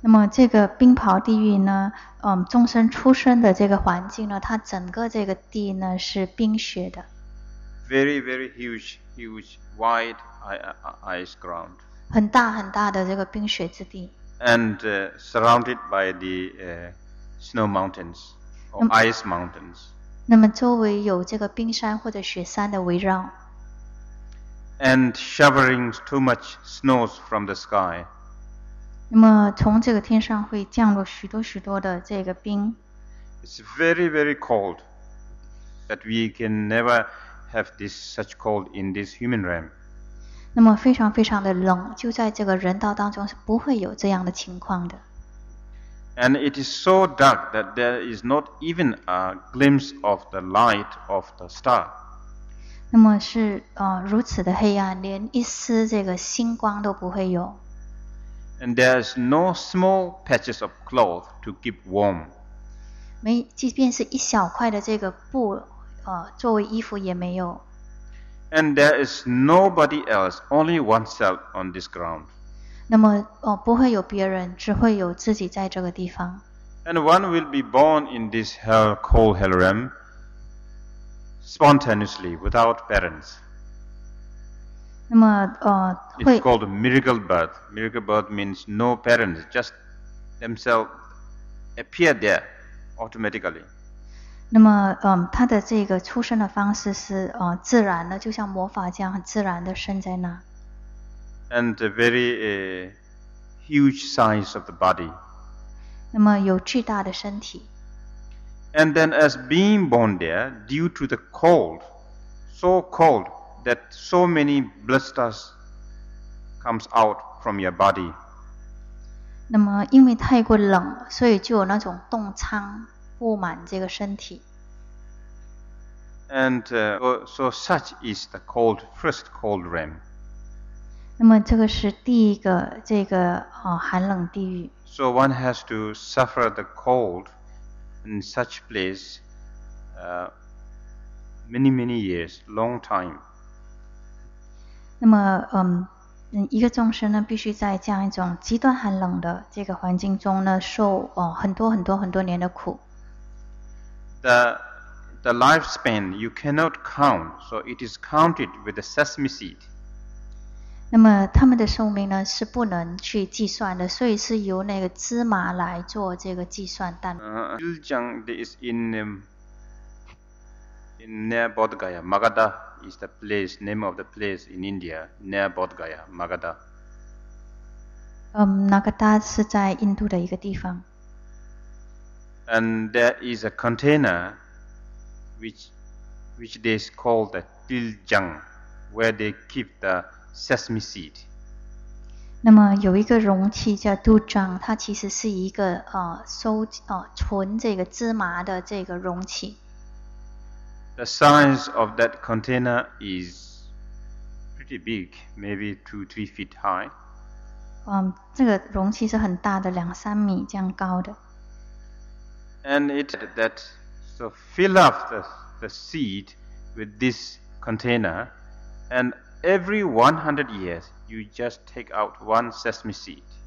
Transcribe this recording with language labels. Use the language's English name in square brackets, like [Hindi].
[Chinese] 那么这个冰雹地狱呢，众生出生的这个环境呢，它整个这个地呢是冰雪的。 [English] Very very huge, huge, wide ice ground. [Chinese] 很大很大的这个冰雪之地。 [English] And surrounded by the snow mountains or ice mountains. [Chinese] 那么周围有这个冰山或者雪山的围绕。 [English] And shivering too much snows from the sky. [Chinese] 那么从这个天上会降落许多许多的这个冰。 [English] It's very, very cold that we can never have this such cold in this human realm. [Chinese] 那么非常非常的冷，就在这个人道当中是不会有这样的情况的。 [English] And it is so dark that there is not even a glimpse of the light of the star. [Chinese] 那么是如此的黑暗，连一丝这个星光都不会有。 [English] And there is no small patches of cloth to keep warm. [Chinese] 即便是一小块的这个布作为衣服也没有。 [English] And there is nobody else, only oneself on this ground. [Chinese] 那么不会有别人，只会有自己在这个地方。 [English] And one will be born in this hell, cold hell realm, spontaneously, without parents. 那么 It's called a miracle birth. Miracle birth means no parents, just themselves appear there automatically. [Chinese] 那么他的这个出生的方式是自然的，就像魔法这样很自然的生在那。 [English] And a very huge size of the body. [Chinese] 那么有巨大的身体。 [English] And then as being born there, due to the cold, so cold that so many blisters comes out from your body. [Chinese] 那么因为太过冷，所以就有那种冻疮布满这个身体。 [English] And so such is the cold, first cold realm. [Chinese] 那么这个是第一个这个寒冷地狱。 [English] So one has to suffer the cold in such place many many years, long time. [Chinese] 那么一个众生呢必须在这样一种极端寒冷的这个环境中呢受很多很多很多年的苦。 [English] The lifespan you cannot count, so it is counted with the sesame seed. [Chinese] 那么他们的寿命呢是不能去计算的，所以是由那个芝麻来做这个计算单。 [English] Viljang is in near Bodh Gaya. Magadha is the place, name of the place in India, near Bodh Gaya, Magadha. [Chinese] Nagada 是在印度的一个地方。 [English] And there is a container which they call the Viljang, where they keep the sesame seed. [Chinese] 那么有一个容器叫 Dujang, 它其实是一个存这个芝麻的这个容器。 [English] The size of that container is pretty big, maybe 2-3 feet high. [Chinese] 这个容器是很大的，2-3米这样高的。 [English] And it said that, so fill up the seed with this container, and every 100 years, you just take out one sesame seed.